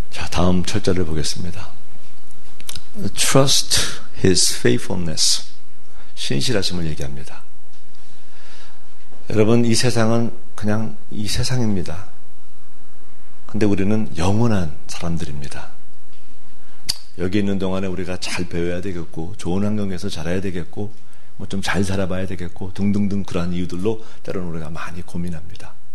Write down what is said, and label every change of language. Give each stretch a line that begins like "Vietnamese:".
Korean: 다음 철자를 보겠습니다.
English: Trust his faithfulness.
Korean: 신실하심을 얘기합니다. 여러분 이 세상은 그냥 이 세상입니다. 근데 우리는 영원한 사람들입니다. 여기 있는 동안에 우리가 잘 배워야 되겠고 좋은 환경에서 자라야 되겠고 뭐 좀 잘 살아봐야 되겠고 등등등 그러한 이유들로 때로는 우리가 많이 고민합니다.